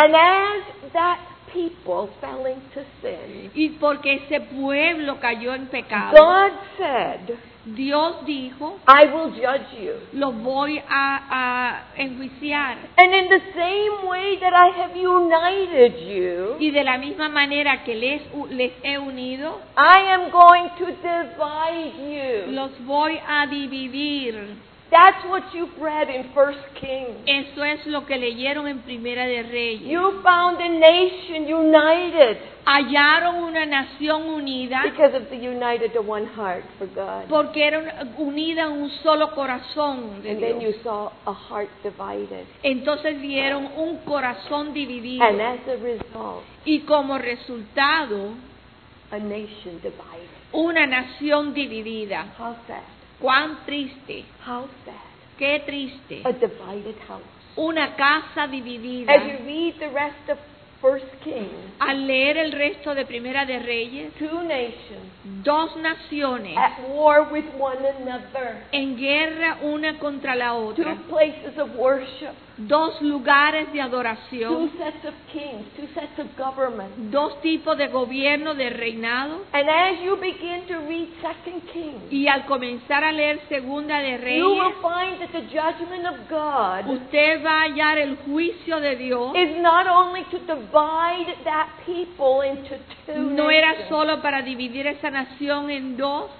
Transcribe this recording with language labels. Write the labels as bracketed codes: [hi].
[en] And as that people fell into sin. [es] Y porque ese pueblo cayó en pecado. [en] God said. [es] Dios dijo, [en] I will judge you. [es] Lo voy a enjuiciar. [en] And in the same way that I have united you, [es] y de la misma manera que les he unido, [en] I am going to divide you. [es] Los voy a dividir. [en] That's what you've read in 1 Kings. [es] Eso es lo que leyeron en Primera de Reyes. [en] You found a nation united. [es] Hallaron una nación unida. [en] Because of the united to one heart for God. [es] Porque eran unida en un solo corazón de Dios. [en] And then you saw a heart divided. [es] Entonces vieron un corazón dividido. [en] And as a result. [es] Y como resultado, [en] a nation divided. [es] Una nación dividida. [en] How sad. [es] Cuán triste. [en] How sad. [es] Qué triste. [en] A divided house. [es] Una casa dividida. [en] As you read the rest of First Kings, [es] al leer el resto de Primera de Reyes, [en] two nations, [es] dos naciones, [en] at war with one another, [es] en guerra una contra la otra, [en] two places of worship, [es] dos lugares de adoración, [en] two sets of kings, two sets of government, [es] dos tipos de gobierno, de reinado, [en] and as you begin to read Second Kings, [es] y al comenzar a leer Segunda de Reyes, [en] you will find that the judgment of God, [es] usted va a hallar el juicio de Dios, [en] is not only to divide that people into two [es] nations, no era solo para dividir esa nación en dos,